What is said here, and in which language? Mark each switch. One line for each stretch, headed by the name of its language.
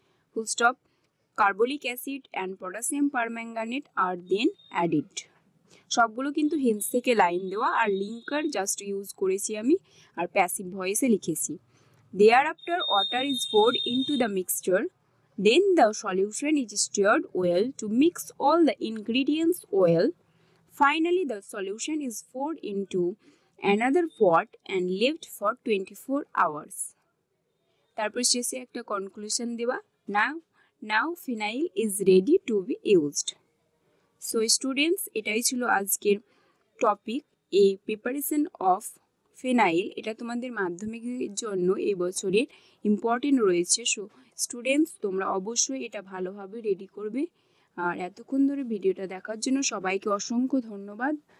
English: full stop carbolic acid and potassium permanganate আর then added
Bangla: সবগুলো কিন্তু hinge থেকে line দেওয়া আর লিঙ্কার জাস্ট ইউজ করেছি আমি আর প্যাসিভ ভয়েসে লিখেছি
English: There after water is poured into the mixture then the solution is stirred well to mix all the ingredients well Finally, the solution is poured into another pot and left for 24 hours.
Bangla: তারপর শেষে একটা conclusion দিবা
English: now phenyl is ready to be used. So students,
Bangla: এটাই ছিল আজকের topic, এই
English: preparation of phenyl.
Bangla: এটা তোমাদের মাধ্যমিকের জন্য এই বছরের ইম্পর্টেন্ট রয়েছে. সো স্টুডেন্টস, তোমরা অবশ্যই এটা ভালোভাবে রেডি করবে. আর এতক্ষণ ধরে ভিডিওটা দেখার জন্য সবাইকে অসংখ্য ধন্যবাদ.